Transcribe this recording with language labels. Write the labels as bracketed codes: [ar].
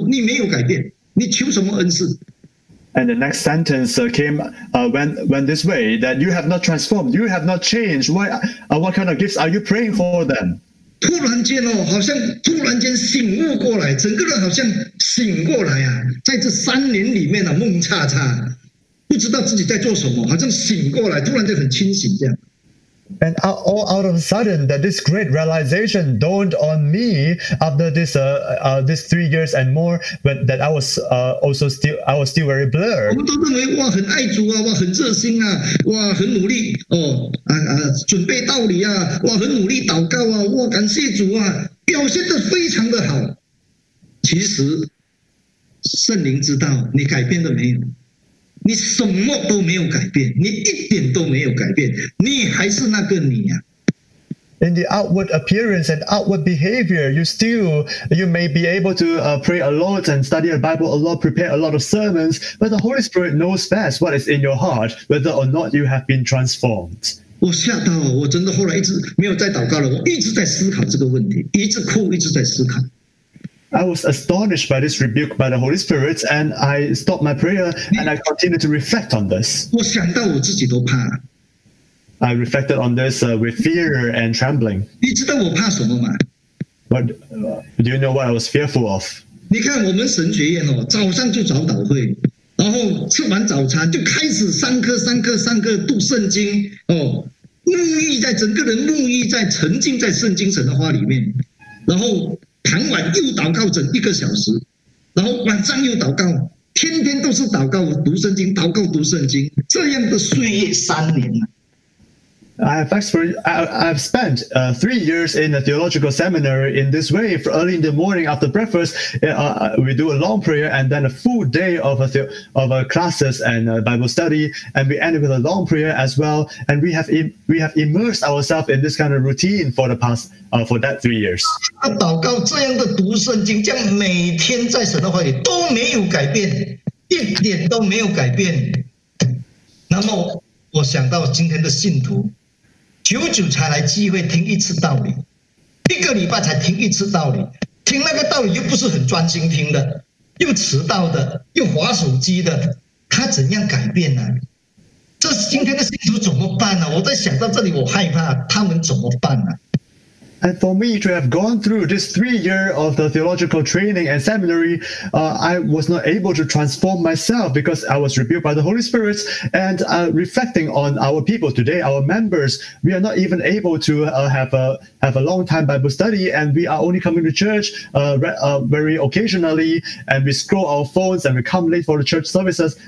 [zh] 你没有改变，你的生命没有改变，你没有改变，你的生命没有改变，这句话就一直重复，一直重复，你没有改变，你求什么恩赐？ [en] And the next sentence went this way, that you have not transformed, you have not changed. Why? What kind of gifts are you praying for then? [zh] 突然间哦，好像突然间醒悟过来，整个人好像醒过来啊，在这三年里面啊，梦叉叉，不知道自己在做什么，好像醒过来，突然就很清醒这样。 [en] And all out of a sudden that this great realization dawned on me after this this 3 years and more, but that I was also still I was still very blurred. [zh] 我们都认为哇很爱主啊，哇很热心啊，哇很努力哦，准备道理啊，哇很努力祷告啊，哇感谢主啊，表现得非常的好。其实圣灵知道你改变了没有。你什么都没有改变，你一点都没有改变，你还是那个你呀。 [en] In the outward appearance and outward behavior, you may be able to pray a lot and study the Bible a lot, prepare a lot of sermons, but the Holy Spirit knows best what is in your heart, whether or not you have been transformed. [zh] 我吓到了，我真的后来一直没有再祷告了，我一直在思考这个问题，一直哭，一直在思考。 [en] I was astonished by this rebuke by the Holy Spirit, and I stopped my prayer, and I continued to reflect on this. [zh] 我想到我自己都怕。 [en] I reflected on this with fear and trembling. [zh] 你知道我怕什么吗？ [en] But do you know what I was fearful of? [zh] 你看我们神学院哦，早上就早祷会，然后吃完早餐就开始上课，上课，上课读圣经哦，沐浴在整个人沐浴在沉浸在圣经神的话里面，然后。傍晚又祷告整一个小时，然后晚上又祷告，天天都是祷告读圣经，祷告读圣经，这样的岁月三年了。 [en] I've spent 3 years in a theological seminary in this way. For early in the morning after breakfast, we do a long prayer and then a full day of classes and Bible study, and we end with a long prayer as well. And we have immersed ourselves in this kind of routine for the past for that 3 years. [zh] 祷告这样的读圣经，这样每天在神的话里都没有改变，一点都没有改变。那么我想到今天的信徒。久久才来机会听一次道理，一个礼拜才听一次道理，听那个道理又不是很专心听的，又迟到的，又滑手机的，他怎样改变呢？这今天的信徒怎么办呢？我在想到这里，我害怕他们怎么办呢？ [en] And for me to have gone through this 3 years of the theological training and seminary, I was not able to transform myself because I was rebuked by the Holy Spirit. And reflecting on our people today, our members, we are not even able to have a long time Bible study, and we are only coming to church very occasionally, and we scroll our phones and we come late for the church services.